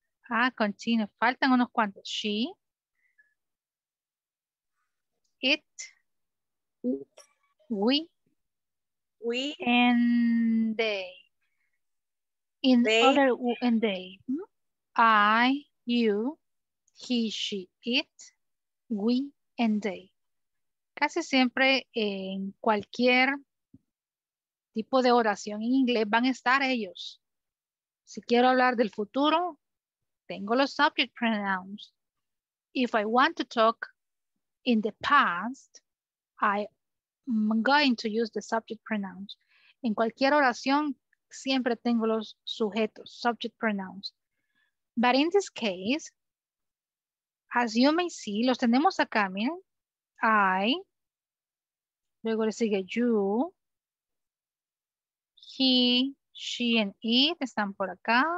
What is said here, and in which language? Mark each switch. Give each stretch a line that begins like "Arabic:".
English: Ah, continue.
Spanish: Faltan unos cuantos.
English: She, it, we, and they. In they. Other, and they. I, you, he, she, it, we, and they.
Spanish: Casi siempre en cualquier tipo de oración en inglés van a estar ellos. Si quiero hablar del futuro, tengo los subject pronouns.
English: If I want to talk in the past, I'm going to use the subject pronouns.
Spanish: En cualquier oración, siempre tengo los sujetos, subject pronouns.
English: But in this case, as you may see,
Spanish: los tenemos acá, miren,
English: I,
Spanish: luego le sigue
English: you, he, she, and it
Spanish: están por acá.